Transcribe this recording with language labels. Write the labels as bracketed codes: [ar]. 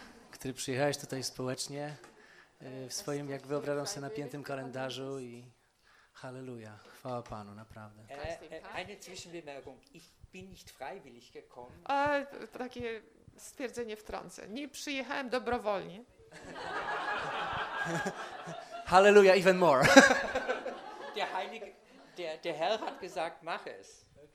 [pl] Który przyjechałeś tutaj społecznie w swoim, jak wyobrażam sobie, napiętym kalendarzu i halleluja, chwała Panu, naprawdę. [de] Eine Zwischenbemerkung. Ich bin nicht freiwillig gekommen. [pl] Takie stwierdzenie wtrącę. Nie przyjechałem dobrowolnie. [en] Halleluja, even more. [de] Der Heilige, der Herr hat gesagt, mach es.